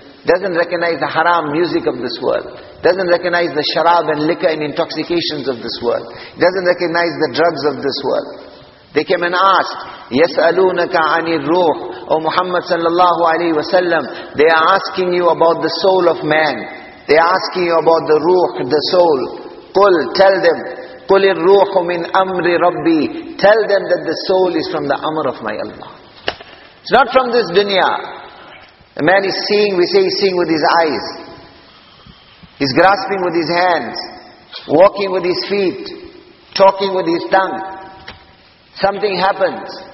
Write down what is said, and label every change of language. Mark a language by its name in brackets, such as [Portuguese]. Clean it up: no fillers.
[English] Doesn't recognize the haram music of this world. Doesn't recognize the sharab and liquor and intoxications of this world. Doesn't recognize the drugs of this world. They came and asked, [Arabic] يَسْأَلُونَكَ عَنِ الرُّوحِ. [English] O Muhammad sallallahu alayhi wa sallam, they are asking you about the soul of man. They are asking you about the ruh, the soul. [Arabic] قُلْ, [English] tell them, [Arabic] قُلِ الرُّوحُ مِنْ أَمْرِ رَبِّي. [English] Tell them that the soul is from the amr of my Allah. It's not from this dunya. A man is seeing, we say he's seeing with his eyes. He's grasping with his hands. Walking with his feet. Talking with his tongue. Something happens.